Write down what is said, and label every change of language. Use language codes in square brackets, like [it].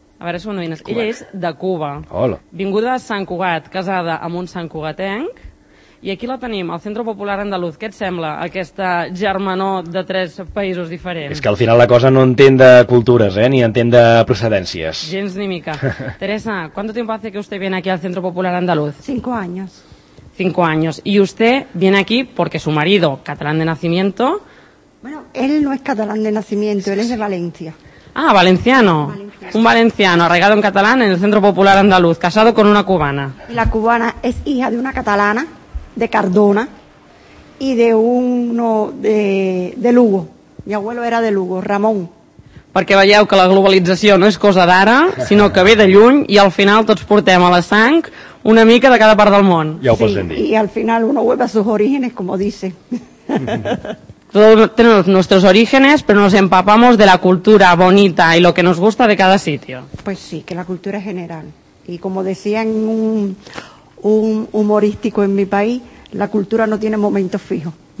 [ca] A veure, si m'ho adones. Ella és de Cuba. Hola. Vinguda a Sant Cugat, casada amb un santcugatenc. I aquí la tenim, al Centre Popular Andaluz. Què et sembla, aquesta germanor de tres països diferents? És que al final la cosa no entén de cultures, ni entén de procedències. Gens ni mica. [es] Teresa, ¿cuánto tiempo hace que usted viene aquí al Centro Popular Andaluz? 5 años. 5 años. Y usted viene aquí porque su marido, catalán de nacimiento... Bueno, él no es catalán de nacimiento, él es de Valencia. Ah, valenciano. Valenciano. Un valenciano arraigado en catalán en el Centro Popular Andaluz, casado con una cubana. Y la cubana es hija de una catalana... de Cardona y de uno de Lugo. Mi abuelo era de Lugo, Ramón. [ca] Perquè veieu que la globalització no és cosa d'ara, sinó que ve de lluny i al final tots portem a la sang una mica de cada part del món. Ja ho posem dir. [es] Sí, y al final uno vuelve a sus orígenes, como dice. Todos tenemos nuestros orígenes, pero nos empapamos de la cultura bonita y lo que nos gusta de cada sitio. Pues sí, que la cultura es general. Y como decía en un humorístico en mi país, la cultura no tiene momentos fijos.